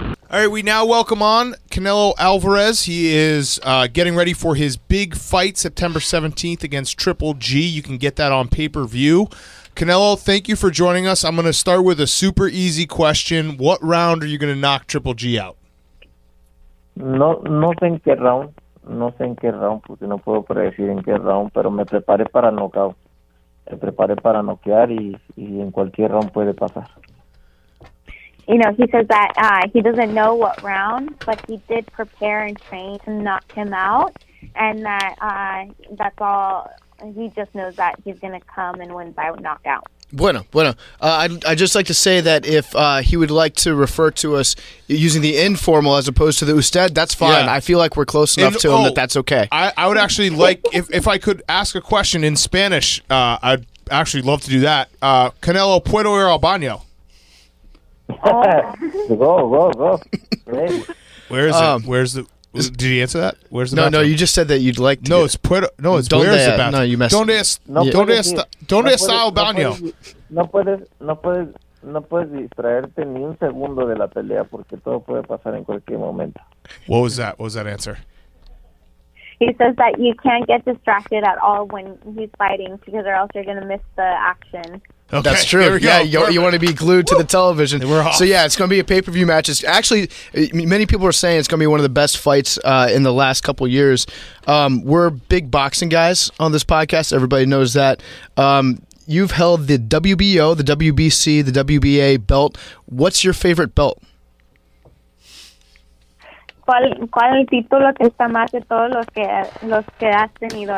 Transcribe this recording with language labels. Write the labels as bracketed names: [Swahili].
[English] All right, we now welcome on Canelo Alvarez. He is getting ready for his big fight September 17th against Triple G. You can get that on pay-per-view. Canelo, thank you for joining us. I'm going to start with a super easy question. What round are you going to knock Triple G out? [Spanish] No sé en qué round, porque no puedo predecir en qué round, pero me preparé para knockout. Me preparé para noquear y en cualquier round puede pasar. [English] You know, he says that he doesn't know what round, but he did prepare and train to knock him out, and that that's all. He just knows that he's going to come and win by knockout. [Spanish] Bueno. [English] I'd just like to say that if he would like to refer to us using the informal as opposed to the usted, that's fine. Yeah. I feel like we're close enough to him that that's okay. I would actually like, if I could ask a question in Spanish, I'd actually love to do that. [Spanish] Canelo, ¿puedo ir al baño? [English] go. Where is it? Did he answer that? Where's the bathroom? No, you just said that you'd like to. No, it's puerto. No, it's where is the bathroom? No, you messed up. Don't ask [Spanish] al baño. No puedes distraerte ni un segundo de la pelea porque todo puede pasar en cualquier momento. [English] What was that? What was that answer? He says that you can't get distracted at all when he's fighting because or else you're going to miss the action. Okay, that's true. Yeah, you want to be glued to the television. So yeah, it's going to be a pay-per-view match. It's actually, many people are saying it's going to be one of the best fights in the last couple years. We're big boxing guys on this podcast. Everybody knows that. You've held the WBO, the WBC, the WBA belt. What's your favorite belt? [Spanish] ¿Cuál es el título que está más de todos los que has tenido?